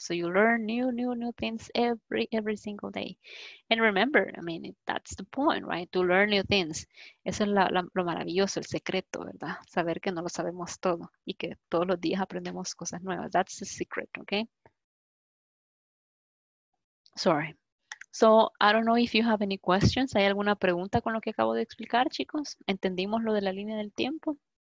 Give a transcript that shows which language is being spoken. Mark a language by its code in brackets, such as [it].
[en] So you learn new things every single day. And remember, I mean, that's the point, right? To learn new things. [es] Eso es lo maravilloso, el secreto, ¿verdad? Saber que no lo sabemos todo y que todos los días aprendemos cosas nuevas. [en] That's the secret, okay? Sorry. So, I don't know if you have any questions. [es] ¿Hay alguna pregunta con lo que acabo de explicar, chicos? ¿Entendimos lo de la línea del tiempo?